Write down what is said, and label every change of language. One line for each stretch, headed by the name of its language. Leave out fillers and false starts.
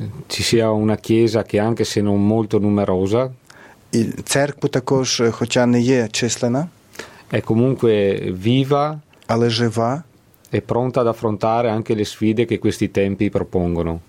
Italian: Ci sia una chiesa che anche se non molto numerosa,
Ukrainian: церкву також, хоча не є численна.
Italian: È comunque viva,
Ukrainian: але жива,
Italian: è pronta ad affrontare anche le sfide che questi tempi propongono.